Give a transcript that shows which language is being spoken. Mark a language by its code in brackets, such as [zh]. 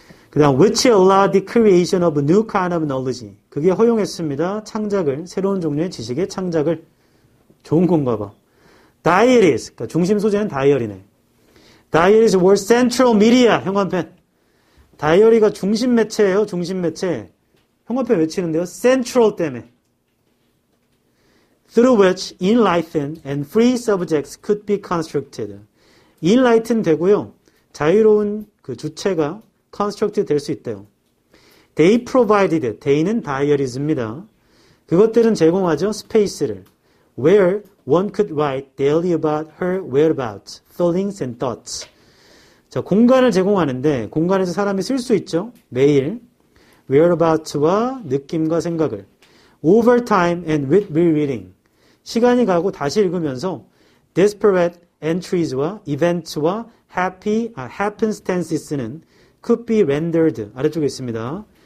[ko] 그 다음, [en] which allowed the creation of a new kind of knowledge. [ko] 그게 허용했습니다. 창작을, 새로운 종류의 지식의 창작을. 좋은 건가 봐. Diaries. 그러니까 중심 소재는 다이어리네. [en] Diaries were central media. [ko] 형광펜. 다이어리가 중심 매체예요. 중심 매체. 형광펜 왜 치는데요? Central 때문에. [en] Through which enlightened and free subjects could be constructed. [ko] Enlightened 되고요. 자유로운 그 주체가 constructed 될 수 있대요. [en] They provided. [ko] They는 diaries입니다. 그것들은 제공하죠. Space를. [en] Where one could write daily about her whereabouts, feelings and thoughts. [ko] 자, 공간을 제공하는데 공간에서 사람이 쓸 수 있죠. 매일. Whereabouts와 느낌과 생각을. [en] Over time and with rereading. [ko] 시간이 가고 다시 읽으면서 [en] desperate entries와 events와 happenstances는 could be rendered. [ko] 아래쪽에 있습니다.